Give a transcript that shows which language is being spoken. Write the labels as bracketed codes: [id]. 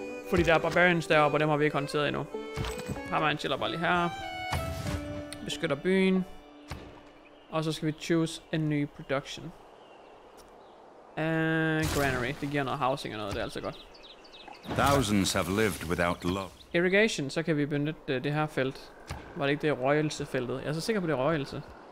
[da] Fordi der er Barbarians deroppe, og dem har vi ikke håndteret endnu. Har man en chiller bare lige her. Beskytter byen. Og så skal vi choose en ny production. Granary. Det giver noget housing og noget, det er altså godt. [en] Thousands have lived without love. [da] Irrigation, så kan vi benytte det her felt. Var det ikke det røgelsefeltet? Jeg er så sikker på det røgelse.